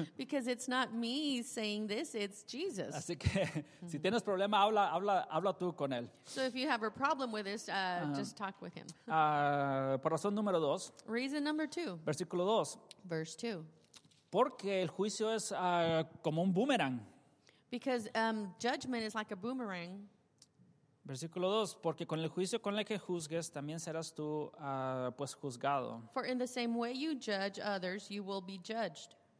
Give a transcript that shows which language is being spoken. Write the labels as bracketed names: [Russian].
[English] Because it's not me saying this, it's Jesus. [Spanish] Así que si tienes problema, habla tú con él. [English] So if you have a problem with this, just talk with him. [Spanish] Por razón número dos. [English] Reason number two. [Spanish] Versículo dos. [English] Verse two. [Spanish] Porque el juicio es como un boomerang. [English] Because judgment is like a boomerang. [Spanish] Versículo 2, porque con el juicio con el que juzgues, también serás tú, juzgado. [English] For in the same way you judge others, you will be judged.